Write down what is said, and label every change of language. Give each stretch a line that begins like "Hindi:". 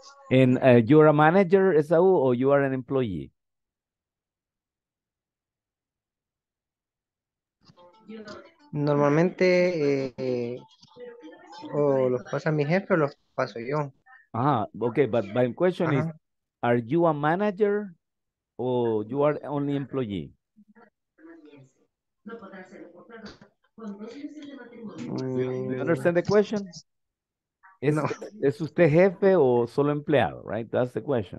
English: And you're a manager, Esau, or you are an employee?
Spanish: Normalmente, los pasa mi jefe o los paso yo.
English: Ah, okay, but my question is, are you a manager or you are only employee? Do you understand the question?
Spanish: ¿Es usted jefe o solo empleado,
English: right? That's the question.